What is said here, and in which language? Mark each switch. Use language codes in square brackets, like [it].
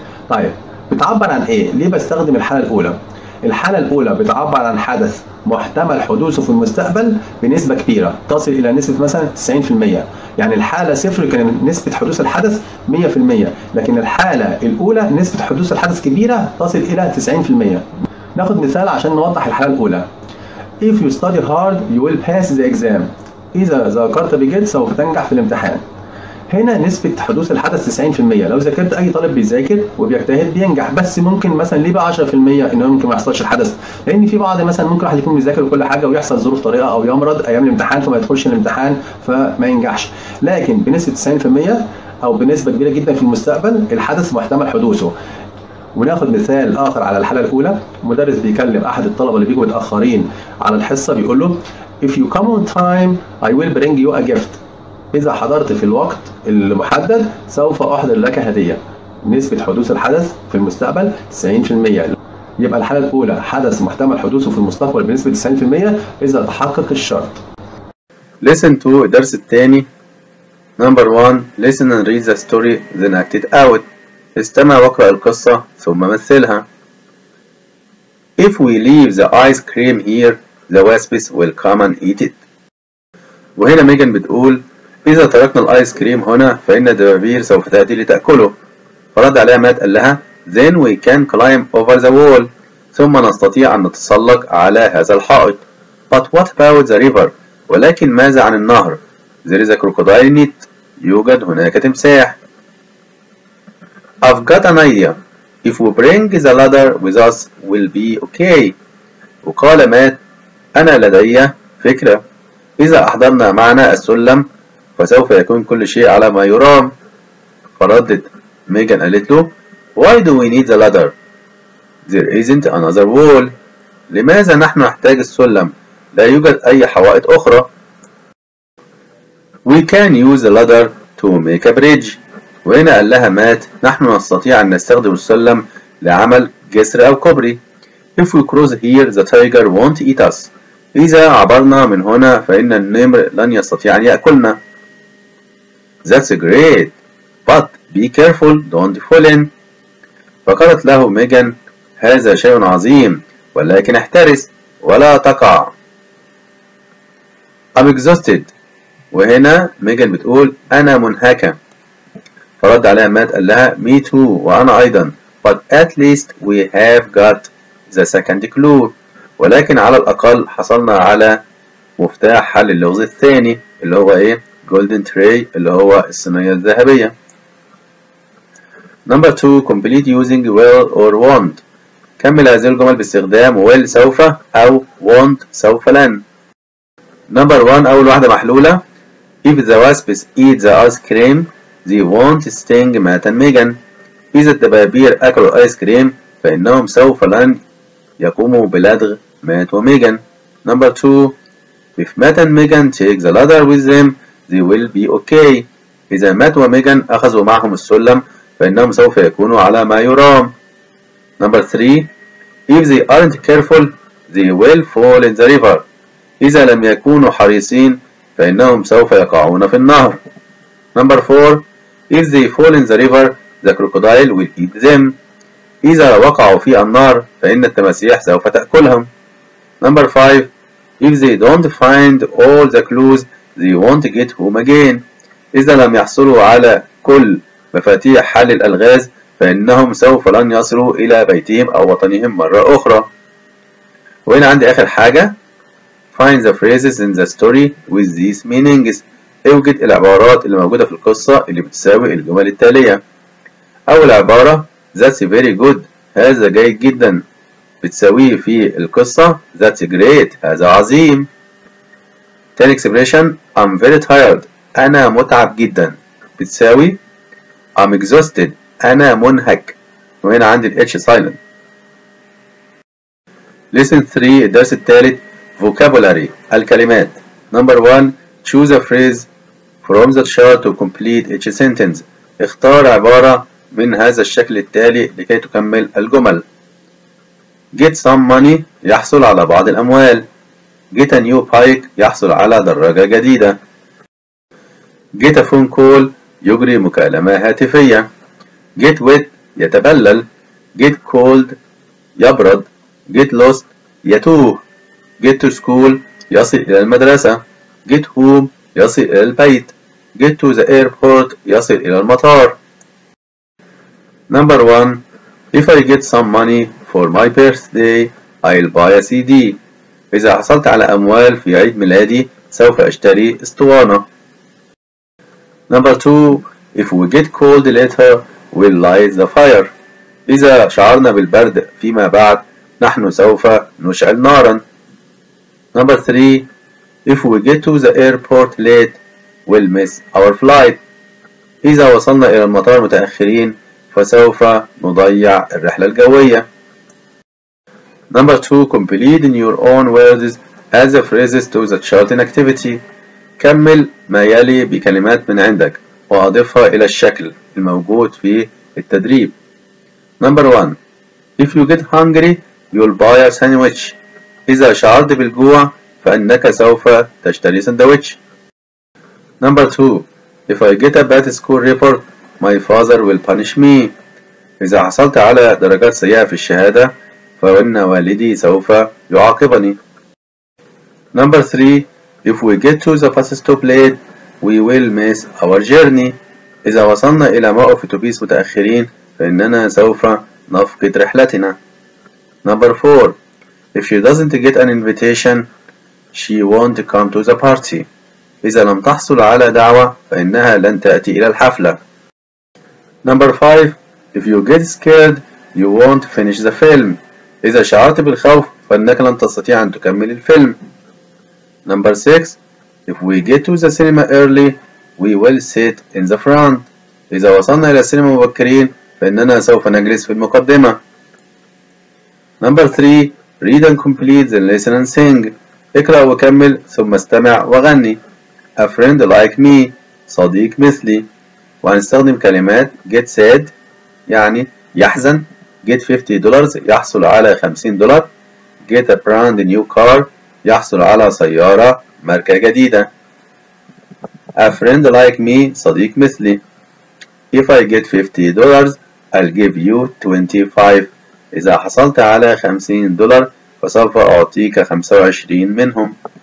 [ar] طيب بتعبر عن ايه؟ ليه بستخدم الحالة الأولى؟ الحالة الأولى بتعبر عن حدث محتمل حدوثه في المستقبل بنسبة كبيرة، تصل إلى نسبة مثلا 90%. يعني الحالة صفر كان نسبة حدوث الحدث 100%، لكن الحالة الأولى نسبة حدوث الحدث كبيرة تصل إلى 90%. ناخد مثال عشان نوضح الحالة الأولى. [en] If you study hard, you will pass the exam. [ar] إذا ذاكرت بجد سوف تنجح في الامتحان. هنا نسبة حدوث الحدث 90%، لو ذاكرت أي طالب بيذاكر وبيجتهد بينجح، بس ممكن مثلا ليه بقى 10% إن ممكن ما يحصلش الحدث؟ لأن في بعض مثلا ممكن واحد يكون بيذاكر كل حاجة ويحصل ظروف طارئة أو يمرض أيام الامتحان فما يدخلش الامتحان فما ينجحش، لكن بنسبة 90% أو بنسبة كبيرة جدا في المستقبل الحدث محتمل حدوثه. وناخد مثال آخر على الحالة الأولى، مدرس بيكلم أحد الطلبة اللي بيجوا متأخرين على الحصة بيقول له [en] If you come on time, I will bring you a gift. [ar] إذا حضرت في الوقت المحدد سوف أحضر لك هدية. نسبة حدوث الحدث في المستقبل 90%. يبقى الحالة الأولى حدث محتمل حدوثه في المستقبل بنسبة 90% إذا تحقق الشرط. [en] Listen to [ar] الدرس الثاني. [en] Number 1 listen and read the story then act it out. [ar] استمع واقرأ القصة ثم مثلها. [en] If we leave the ice cream here, the wasps will come and eat it. [ar] وهنا ميجان بتقول إذا تركنا الآيس كريم هنا فإن الدبابير سوف تأتي لتأكله. فرد عليها مات قال لها [en] Then we can climb over the wall. [ar] ثم نستطيع أن نتسلق على هذا الحائط. [en] But what about the river؟ [ar] ولكن ماذا عن النهر؟ [en] There is a crocodile in it. [ar] يوجد هناك تمساح. [en] I've got an idea. If we bring the ladder with us, we'll be okay. [ar] وقال مات: أنا لدي فكرة. إذا أحضرنا معنا السلم، فسوف يكون كل شيء على ما يرام. فردت ميغان، قالت له: [en] Why do we need the ladder? There isn't another wall. [ar] لماذا نحن نحتاج السلم؟ لا يوجد أي حوائط أخرى. [en] We can use the ladder to make a bridge. [ar] وهنا قال لها مات: نحن نستطيع أن نستخدم السلم لعمل جسر أو كوبري. [en] If we cross here, the tiger won't eat us. [ar] إذا عبرنا من هنا فإن النمر لن يستطيع أن يأكلنا. [en] That's great. But be careful, don't fall in. [ar] فقالت له ميغان: هذا شيء عظيم، ولكن احترس ولا تقع. [en] I'm exhausted. [ar] وهنا ميغان بتقول: أنا منهكة. فرد عليها مات، قال لها: [en] Me too، [ar] وأنا أيضا. [en] But at least we have got the second clue. [ar] ولكن على الأقل حصلنا على مفتاح حل اللغز الثاني، اللي هو إيه؟ [en] Golden tray، [ar] اللي هو الصينية الذهبية. [en] Number two, complete using will or won't. [ar] كمل هذه الجمل باستخدام will سوف أو won't سوف لن. [en] Number one, [ar] أول واحدة محلولة. [en] If the wasps eat the ice cream, they won't sting Matt and Megan. [ar] إذا الدبابير أكلوا الآيس كريم، فإنهم سوف لن يقوموا بلدغ مات وميغان. [en] Number two, if Matt and Megan take the ladder with them, they will be okay. [ar] إذا مات وميغان أخذوا معهم السلم، فإنهم سوف يكونوا على ما يرام. [en] Number three, if they aren't careful, they will fall in the river. [ar] إذا لم يكونوا حريصين، فإنهم سوف يقعون في النهر. [en] Number four, if they fall in the river, the crocodile will eat them. [ar] إذا وقعوا في النار، فإن التماسيح سوف تأكلهم. [en] Number five, if they don't find all the clues, they won't get home again. [ar] إذا لم يحصلوا على كل مفاتيح حل الألغاز، فإنهم سوف لن يصلوا إلى بيتهم أو وطنهم مرة أخرى. وهنا عندي آخر حاجة. [en] Find the phrases in the story with these meanings. [ar] اوجد العبارات اللي موجودة في القصة اللي بتساوي الجمل التالية. أول عبارة: [en] That's very good. [ar] هذا جيد جدا. بتساويه في القصة: [en] That's great. [ar] هذا عظيم. تاني [en] expression: I'm very tired. [ar] أنا متعب جدا. بتساوي: [en] I'm exhausted. [ar] أنا منهك. وهنا عندي الH silent. [en] Lesson 3، [ar] الدرس الثالث: [en] Vocabulary، [ar] الكلمات. [en] Number 1، Choose a phrase from the chart to complete each sentence. [ar] اختار عبارة من هذا الشكل التالي لكي تكمل الجمل. [en] Get some money، [ar] يحصل على بعض الأموال. [en] Get a new bike، [ar] يحصل على دراجة جديدة. [en] Get a phone call، [ar] يجري مكالمة هاتفية. [en] Get wet، [ar] يتبلل. [en] Get cold، [ar] يبرد. [en] Get lost، [ar] يتوه. [en] Get to school، [ar] يصل إلى المدرسة. [en] Get home، [ar] يصل إلى البيت. [en] Get to the airport، يصل إلى المطار. Number one، if I get some money for my birthday، I'll buy a CD. [ar] إذا حصلت على أموال في عيد ميلادي، سوف أشتري أسطوانة. [en] Number two، if we get cold later، we'll light the fire. [ar] إذا شعرنا بالبرد فيما بعد، نحن سوف نشعل نارا. [en] Number three، if we get to the airport late، we'll miss our flight. [ar] إذا وصلنا إلى المطار متأخرين، فسوف نضيع الرحلة الجوية. [en] Number two، complete in your own words as the phrases to the chatting activity. [ar] كمل ما يلي بكلمات من عندك وأضفها إلى الشكل الموجود في التدريب. [en] Number one، if you get hungry, you'll buy a sandwich. [ar] إذا شعرت بالجوع، فإنك سوف تشتري سندويتش. [en] Number two، if I get a bad school report, my father will punish me. [ar] إذا حصلت على درجات سيئة في الشهادة، فإن والدي سوف يعاقبني. [en] Number three، if we get to the fast stop late, we will miss our journey. [ar] إذا وصلنا إلى موقف أتوبيس متأخرين، فإننا سوف نفقد رحلتنا. [en] Number four، if she doesn't get an invitation, she won't come to the party. [ar] إذا لم تحصل على دعوة فإنها لن تأتي إلى الحفلة. [en] Number 5. If you get scared, you won't finish the film. [ar] إذا شعرت بالخوف فإنك لن تستطيع أن تكمل الفيلم. [en] Number 6. If we get to the cinema early, we will sit in the front. [ar] إذا وصلنا إلى السينما مبكرين فإننا سوف نجلس في المقدمة. [en] Number 3. Read and complete, then listen and sing. [ar] اقرأ وكمل ثم استمع وغني. [en] A friend like me, [ar] صديق مثلي. وهنستخدم كلمات [en] get sad [ar] يعني يحزن, [en] get $50 [ar] يحصل على $50, [en] get a brand new car [ar] يحصل على سيارة ماركة جديدة. [en] A friend like me, [ar] صديق مثلي. [en] If I get $50, I'll give you $25. [ar] إذا حصلت على $50 فسوف أعطيك 25 منهم.